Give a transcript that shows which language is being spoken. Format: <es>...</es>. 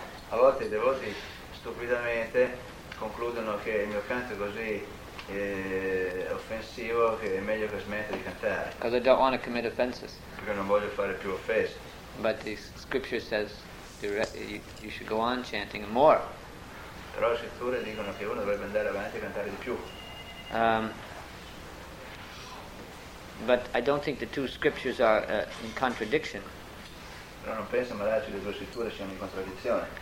<it>A volte i devoti stupidamente concludono che il mio canto così offensivo che è meglio che smetta di cantare.</it> <en>Because I don't want to commit offenses.</en> <it>Perché non voglio fare più offese.</it> <en>But the scripture says you should go on chanting more.</en> <it>Però le scritture dicono che uno dovrebbe andare avanti e cantare di più.</it> <en>But I don't think the two scriptures are in contradiction.</en> <it>Però non penso magari che le due scritture siano in contraddizione.</it>